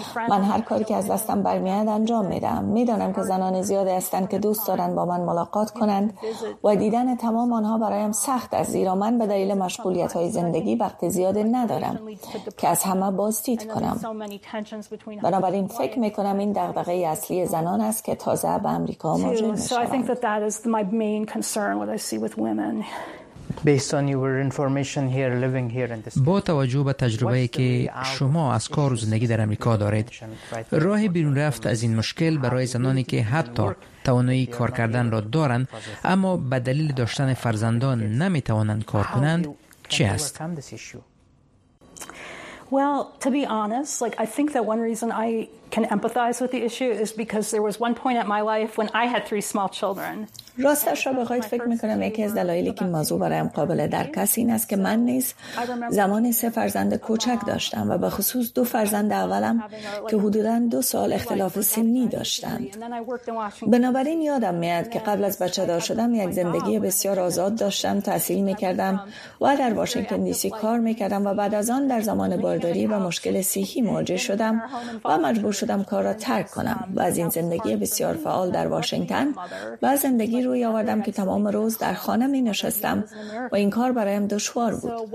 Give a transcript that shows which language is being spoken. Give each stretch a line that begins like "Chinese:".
Persian: من هر کاری که از دستم برمی آید انجام می دهم. می دانم که زنان زیادی هستند که دوست دارند با من ملاقات کنند و دیدن تمام آنها برایم سخت است، زیرا من به دلیل مشغولیت های زندگی وقت زیادی ندارم که از همه بازدید کنم. بنابراین فکر می کنم این دغدغه اصلی زنان است که تازه به امریکا مهاجر می شوند.
English: So I think that is my main concern what I see with women. Based on your information here, living here in this.
Persian: با توجه به تجربه ای که شما از کار و زندگی در امریکا دارید، راه بیرون رفت از این مشکل برای زنانی که حتی توانایی کار کردن را دارند اما به دلیل داشتن فرزندان نمی توانند کار کنند چی است؟
English: Well, to be honest, like I think that one reason I can empathize with the issue is because there was one point in my life when I had three small children.
Persian: راستش را بخواید فکر میکنم یکی از دلایلی که این موضوع برایم قابل درک است این است که من نیز زمان 3 فرزند کوچک داشتم و به خصوص 2 فرزند اولم که حدوداً 2 سال اختلاف سنی داشتند. بنابراین یادم میاد که قبل از بچه دار شدم یک زندگی بسیار آزاد داشتم، تحصیل میکردم و در واشنگتن دی‌سی کار میکردم و بعد از آن در زمان بارداری و مشکل صحی مواجه شدم و مجبور شدم کار را ترک کنم و از این زندگی بسیار فعال در واشنگتن و زندگی روی آوردم که تمام روز در خانه می نشستم و این کار برایم دشوار بود.